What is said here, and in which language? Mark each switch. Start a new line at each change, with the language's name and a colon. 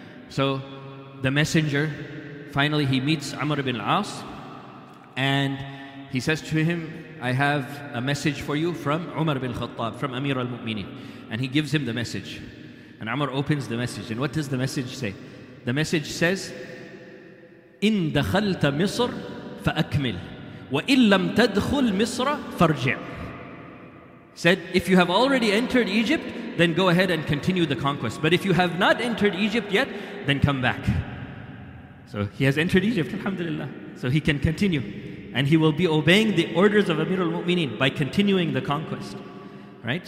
English: So the messenger, finally he meets Amr ibn al-As. And he says to him, I have a message for you from Umar ibn al-Khattab, from Amir al-Mu'mineen. And he gives him the message. And Amr opens the message. And what does the message say? The message says,
Arabic: إِن دَخَلْتَ مِصْر فَأَكْمِلْ وَإِن لَمْ تَدْخُلْ مِصْرَ فَرْجِعْ.
English: Said, if you have already entered Egypt, then go ahead and continue the conquest. But if you have not entered Egypt yet, then come back. So he has entered Egypt, alhamdulillah. So he can continue and he will be obeying the orders of Amir al-Mu'mineen by continuing the conquest. Right?